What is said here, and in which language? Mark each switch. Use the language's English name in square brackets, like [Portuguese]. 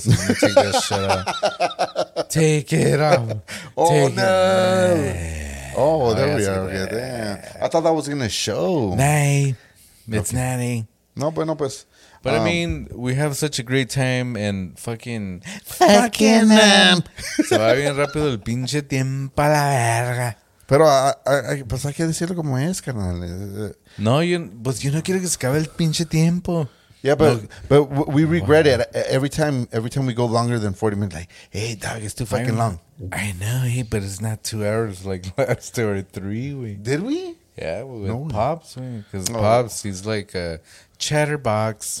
[English] So let me take that shit off. Take it off. Oh, take no. Oh, well, there we are. Yeah, damn. I thought that was going to show. Nay. It's okay. Nanny. [Spanish] No, but no, pues. [English] But I mean, we have such a great time and fucking. Fucking them. [Spanish] Se va bien rápido el pinche tiempo a la verga. Pero pues hay que decirlo como es, carnal. No, yo no quiero que se acabe el pinche tiempo. [English] Yeah, but we regret it every time we go longer than 40 minutes. Like, hey, dog, it's too fucking long. I know, hey, but it's not 2 hours like last two or three. Did we? Yeah, with Pops, because Pops, he's like a chatterbox.